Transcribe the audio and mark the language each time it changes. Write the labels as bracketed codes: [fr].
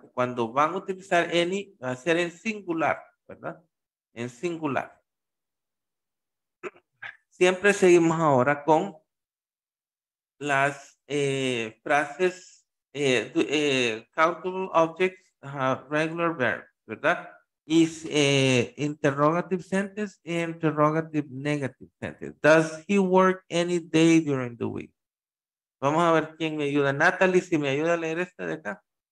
[es] Que cuando van a utilizar any, va a ser en singular, ¿verdad? En singular. Siempre seguimos ahora con las frases [en] countable objects, regular verb, [es] ¿verdad? [en] Is interrogative sentence, interrogative negative sentence. Does he work any day during the week? [es] Vamos a ver quién me ayuda. Natalie, si me ayuda a leer esta de acá.